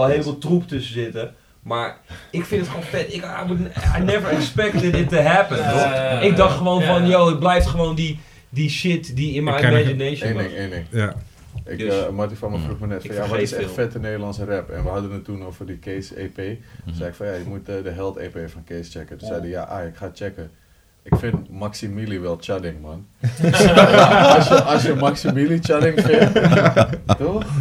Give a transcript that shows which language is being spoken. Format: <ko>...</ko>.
<nl>Er zal heel veel troep tussen zitten. Maar ik vind het gewoon vet.</nl> <en>I never expected it to happen.</en> <nl>Ik dacht gewoon van, yo, het blijft gewoon die shit die in mijn imagination was. Eén ding. Ja. Marty van me vroeg me net van, ja, wat is echt vette Nederlandse rap? En we hadden het toen over die Kees EP. Toen zei ik van, ja, je moet de Held EP van Kees checken. Toen zei hij, ja, ik ga checken. Ik vind Maximili wel chatting, man. als je Maximili chatting vindt, toch?</nl>